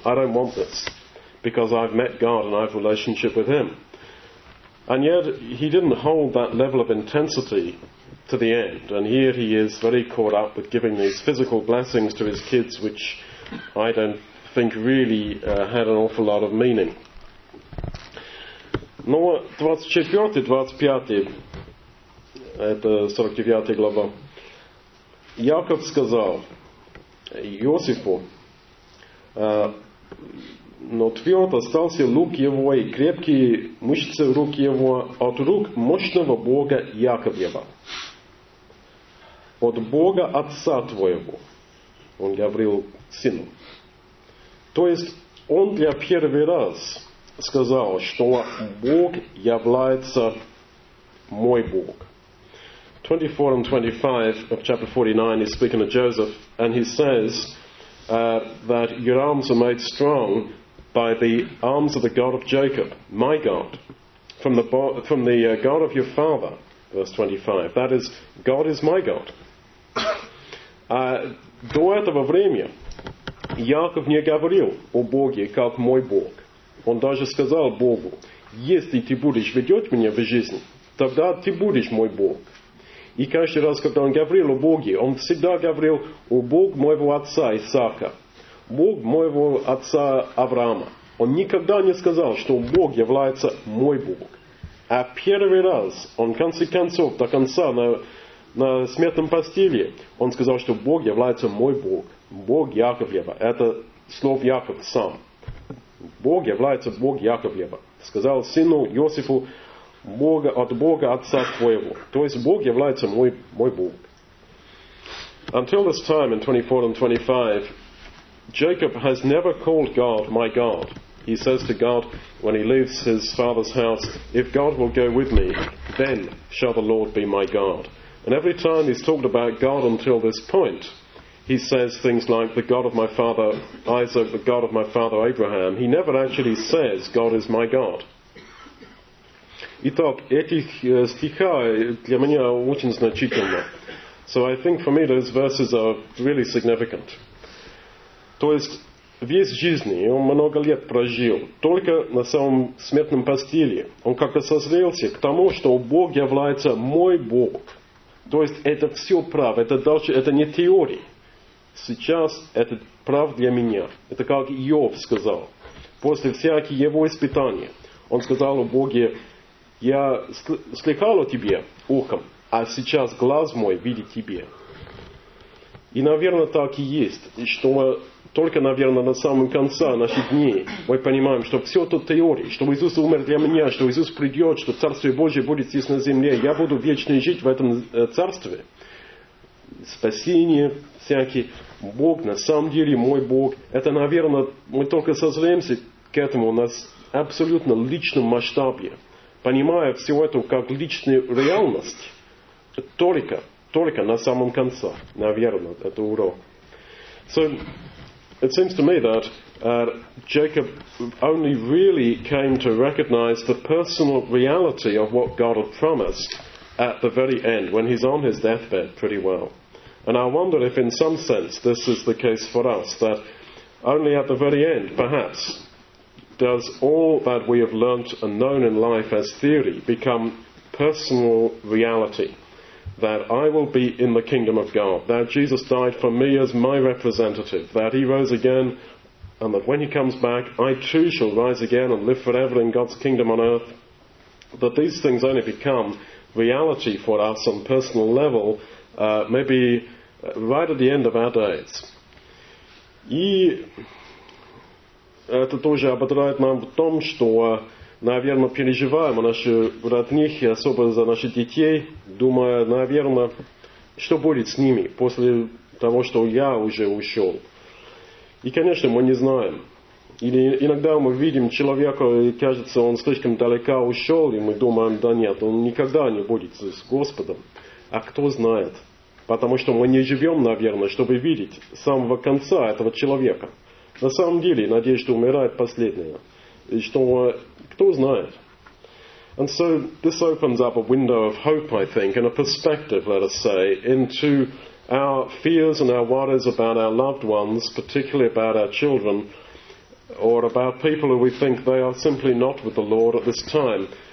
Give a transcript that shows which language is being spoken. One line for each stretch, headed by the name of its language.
English: I don't want this because I've met God and I have a relationship with him. And yet he didn't hold that level of intensity to the end. And here he is very caught up with giving these physical blessings to his kids, which I don't think really had an awful lot of meaning.
Russian: Но 24-25, это 49 глава, Яков сказал Иосифу, Но тфилот остался лук его и крепкие мышцы рук его от рук мощного Бога Яковлева. От Бога Отца твоего. Он говорил сыну. То есть он для первый раз сказал, что Бог является мой Бог.
English: 24 and 25 of chapter 49 is speaking to Joseph, and he says that your arms are made strong by the arms of the God of Jacob, my God, from the God of your father. Verse 25. That is, God is my God.
Russian: До этого времени Яков не говорил о Боге как мой Бог. Он даже сказал Богу: если ты будешь ведёшь меня в жизнь, тогда ты будешь мой Бог. И каждый раз, когда он говорил о Боге, он всегда говорил: о Бог моего отца Исаака, Бог моего отца Авраама. Он никогда не сказал, что Бог является мой Бог. А первый раз, он в конце концов, до конца, на смертном постели, он сказал, что Бог является мой Бог. Бог Яковлева. Это слово Яков сам. Бог является Бог Яковлева. Сказал сыну Иосифу: Бога, от Бога Отца твоего. То есть Бог является мой Бог.
English: Until this time in 24 and 25, Jacob has never called God my God. He says to God when he leaves his father's house, if God will go with me, then shall the Lord be my God. And every time he's talked about God until this point, he says things like the God of my father Isaac, the God of my father Abraham. He never actually says God is my God.
Russian: Итак, эти стихи для меня очень значительны.
English: So I think for me those verses are really significant.
Russian: То есть, весь жизни, он много лет прожил, только на самом смертном постели, он как-то созрелся к тому, что Бог является мой Бог. То есть, это все право, это не теория. Сейчас это право для меня. Это как Иов сказал. После всяких его испытаний, он сказал о Боге: я слыхал о тебе ухом, а сейчас глаз мой видит тебе. И, наверное, так и есть, что мы только, наверное, на самом конце наших дней мы понимаем, что все это теория, что Иисус умер для меня, что Иисус придет, что Царствие Божие будет здесь на земле, я буду вечно жить в этом Царстве. Спасение всякие. Бог на самом деле мой Бог. Это, наверное, мы только созреемся к этому у нас абсолютно личном масштабе. Понимая все это как личную реальность, только на самом конце, наверное, это урок.
English: So, it seems to me that Jacob only really came to recognize the personal reality of what God had promised at the very end, when he's on his deathbed pretty well. And I wonder if in some sense this is the case for us, that only at the very end, perhaps, does all that we have learnt and known in life as theory become personal reality. That I will be in the kingdom of God. That Jesus died for me as my representative. That he rose again, and that when he comes back, I too shall rise again and live forever in God's kingdom on earth. That these things only become reality for us on a personal level, maybe right at the end of our days.
Russian: И это тоже ободряет нам в том, что, наверное, переживаем о наших родных и особо за наших детей, думая, наверное, что будет с ними после того, что я уже ушел. И, конечно, мы не знаем. Или иногда мы видим человека, и кажется, он слишком далеко ушел, и мы думаем: да нет, он никогда не будет с Господом. А кто знает? Потому что мы не живем, наверное, чтобы видеть самого конца этого человека. На самом деле, надеюсь, что умирает последнее. И что, кто знает?
English: And so, this opens up a window of hope, I think, and a perspective, let us say, into our fears and our worries about our loved ones, particularly about our children, or about people who we think they are simply not with the Lord at this time.